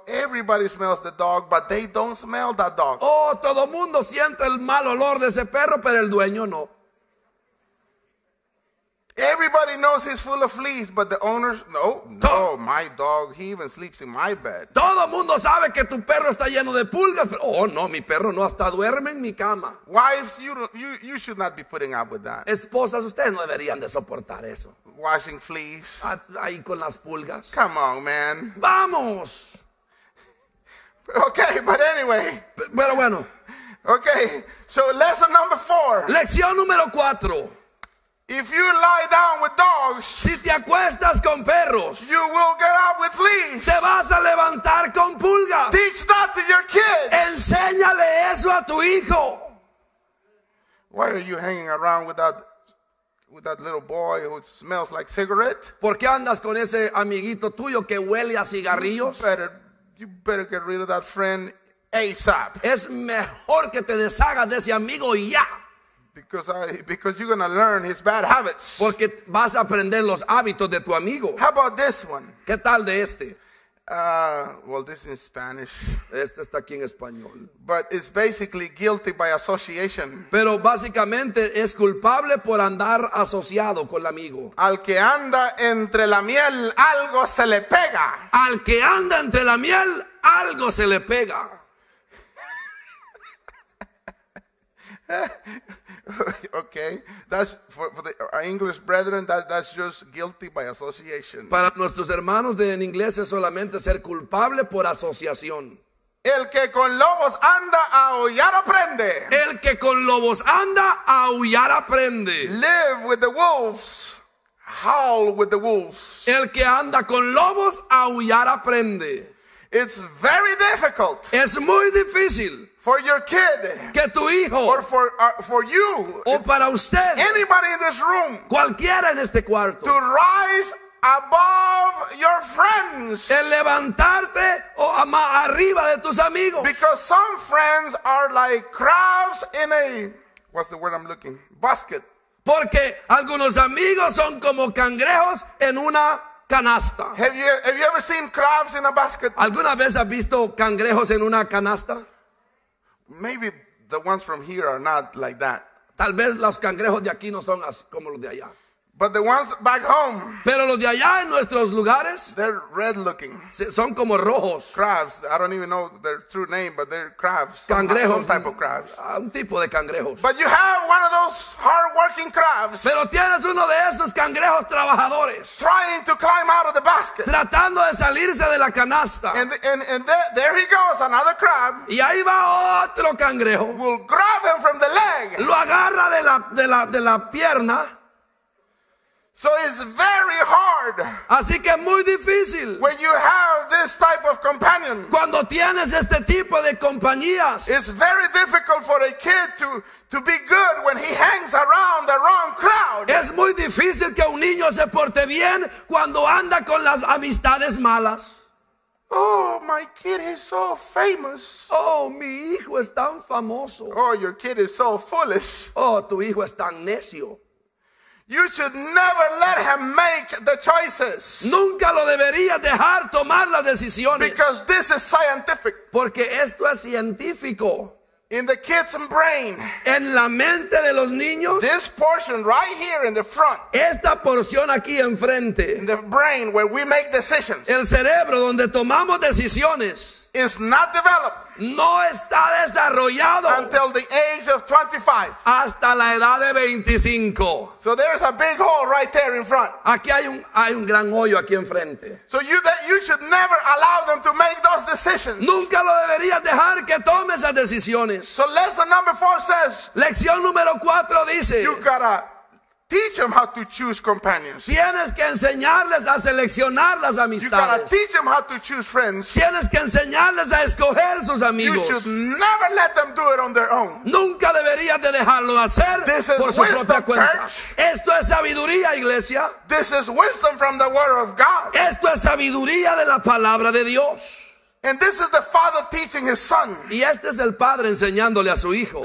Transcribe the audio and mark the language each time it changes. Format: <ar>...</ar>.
<en>Everybody smells the dog, but they don't smell that dog.</en> <es>Oh, todo mundo siente el mal olor de ese perro, pero el dueño no.</es> <en>Everybody knows he's full of fleas, but the owners, no, my dog, he even sleeps in my bed.</en> <es>Todo mundo sabe que tu perro está lleno de pulgas, pero, oh no, mi perro no hasta duerme en mi cama.</es> <en>Wives, you should not be putting up with that.</en> <es>Esposas, ustedes no deberían de soportar eso.</es> <en>Washing fleas.</en> <es>Ahí con las pulgas.</es> <en>Come on, man.</en> <es>Vamos.</es> <en>Okay, but anyway.</en> <es>Pero bueno.</es> <en>Okay, so lesson number 4.</en> <es>Lección número 4.</es> <en>If you lie down with dogs,</en> <es>si te acuestas con perros,</es> <en>you will get up with fleas.</en> <es>Te vas a levantar con pulgas.</es> <en>Teach that to your kids.</en> <es>Enséñale eso a tu hijo.</es> <en>Why are you hanging around with that little boy who smells like cigarette?</en> <es>¿Por qué andas con ese amiguito tuyo que huele a cigarrillos?</es> <en>You better get rid of that friend ASAP.</en> <es>Es mejor que te deshagas de ese amigo ya.</es> <en>Because you're going to learn his bad habits.</en> <es>Porque vas a aprender los hábitos de tu amigo.</es> <en>How about this one?</en> <es>¿Qué tal de este?</es> <en>Well, this is in Spanish.</en> <es>Este está aquí en español.</es> <en>But it's basically guilty by association.</en> <es>Pero básicamente es culpable por andar asociado con el amigo. Al que anda entre la miel, algo se le pega. Al que anda entre la miel, algo se le pega.</es> <en>Okay, that's for the, our English brethren, that's just guilty by association.</en> <es>Para nuestros hermanos de en inglés es solamente ser culpable por asociación. El que con lobos anda, a aullar aprende. El que con lobos anda, a aullar aprende.</es> <en>Live with the wolves, howl with the wolves.</en> <es>El que anda con lobos, a aullar aprende.</es> <en>It's very difficult.</en> <es>Es muy difícil.</es> <en>For your kid,</en> <es>que tu hijo,</es> <en>or for you,</en> <es>o para usted,</es> <en>anybody in this room,</en> <es>cualquiera en este cuarto,</es> <en>to rise above your friends,</en> <es>el levantarte o más arriba de tus amigos,</es> <en>because some friends are like crabs in a what's the word I'm looking basket,</en> <es>porque algunos amigos son como cangrejos en una canasta.</es> <en>Have you ever seen crabs in a basket?</en> <es>¿Alguna vez has visto cangrejos en una canasta?</es> <en>Maybe the ones from here are not like that.</en> <es>Tal vez los cangrejos de aquí no son así como los de allá.</es> <en>But the ones back home.</en> <es>Pero los de allá en nuestros lugares.</es> <en>They're red looking.</en> <es>Son como rojos.</es> <en>Crabs. I don't even know their true name, but they're crabs.</en> <es>Cangrejos.</es> <en>Some type of crabs.</en> <es>Un tipo de cangrejos.</es> <en>But you have one of those hard working crabs.</en> <es>Pero tienes uno de esos cangrejos trabajadores.</es> <en>Trying to climb out of the basket.</en> <es>Tratando de salirse de la canasta.</es> <en>And there he goes, another crab.</en> <es>Y ahí va otro cangrejo.</es> <en>Will grab him from the leg.</en> <es>Lo agarra de la pierna.</es> <en>So it's very hard.</en> <es>Así que es muy difícil.</es> <en>When you have this this type of companion.</en> <es>Cuando tienes este tipo de compañías,</es> <en>it's very difficult for a kid to be good when he hangs around the wrong crowd.</en> <es>Es muy difícil que un niño se porte bien cuando anda con las amistades malas.</es> <en>Oh, my kid is so famous.</en> <es>Oh, mi hijo es tan famoso.</es> <en>Oh, your kid is so foolish.</en> <es>Oh, tu hijo es tan necio.</es> <en>You should never let him make the choices.</en> <es>Nunca lo debería dejar tomar las decisiones.</es> <en>Because this is scientific.</en> <es>Porque esto es científico.</es> <en>In the kid's brain.</en> <es>En la mente de los niños.</es> <en>This portion right here in the front.</en> <es>Esta porción aquí enfrente.</es> <en>In the brain where we make decisions.</en> <es>El cerebro donde tomamos decisiones.</es> <en>Is not developed.</en> <es>No está desarrollado.</es> <en>Until the age of 25.</en> <es>Hasta la edad de 25.</es> <en>So there is a big hole right there in front.</en> <es>Aquí hay un gran hoyo aquí enfrente.</es> <en>So you should never allow them to make those decisions.</en> <es>Nunca lo deberías dejar que tome esas decisiones.</es> <en>So lesson number 4 says.</en> <es>Lección número 4 dice.</es> <en>You gotta teach them how to choose companions.</en> <es>Tienes que enseñarles a seleccionar las amistades.</es> <en>You gotta teach them how to choose friends.</en> <es>Tienes que enseñarles a escoger sus amigos.</es> <en>You should never let them do it on their own.</en> <es>Nunca deberías de dejarlo hacer por su propia cuenta. Esto es sabiduría, iglesia.</es> <en>This is wisdom from the word of God.</en> <es>Esto es sabiduría de la palabra de Dios.</es> <en>And this is the father teaching his son.</en> <es>Y este es el padre enseñándole a su hijo.</es>